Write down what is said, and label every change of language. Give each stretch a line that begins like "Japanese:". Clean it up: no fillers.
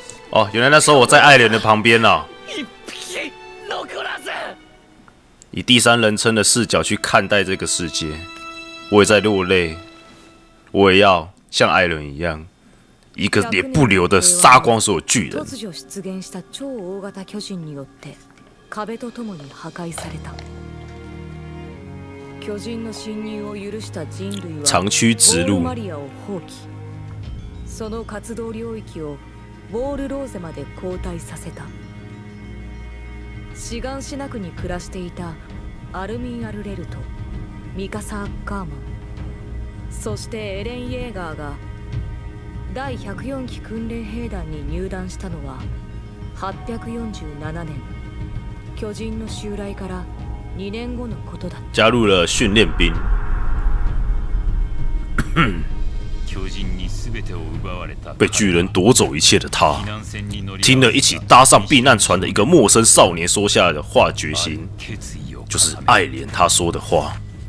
Chinese: 哦，原来那时候我在艾莲的旁边啊，以第三人称的视角去看待这个世界，我也在落泪，我也要像艾莲一样，一个也不留的杀光所有巨人。
Japanese: 突如出現した超大型巨人によって壁と共に破壊された。巨人の侵入を許した人類は長驱直入。ボールマリアを放棄。その活動領域をボールローゼまで後退させた。シガンシナクに暮らしていたアルミン・アルレルト、ミカサ・アッカーマン、そしてエレン・イェーガーが第104期訓練兵団に入団したのは847年、巨人の襲来から二年後のことだ。
Chinese: 加入了训练兵。
Japanese: 巨人に全てを奪われた。
Chinese: 被巨人夺走一切的他，听了一起搭上避难船的一个陌生少年说下的话，决心就是爱莲他说的话。